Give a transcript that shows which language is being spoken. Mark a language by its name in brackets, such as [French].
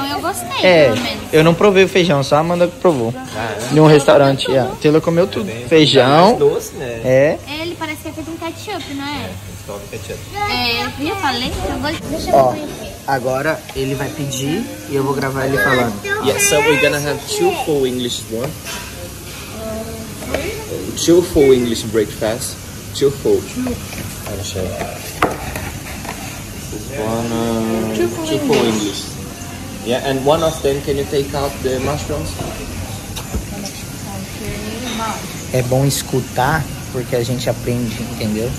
[Portuguese] Feijão, eu gostei, pelo menos. Eu não provei o feijão, só a Amanda que provou. Ah, em um restaurante. O Taylor comeu tudo. É feijão. É doce, né? É. Ele parece que é feito um ketchup, não é? Ketchup. Eu falei, então vou... Deixa eu agora ele vai pedir e eu vou gravar ele falando. [English] Yeah, so we're gonna have 2 full English one. 2 full English breakfast. 2 full. I'll show you. One, two for English. Yeah, and one of them, can you take out the mushrooms? [Portuguese] É bom escutar, porque a gente aprende, entendeu?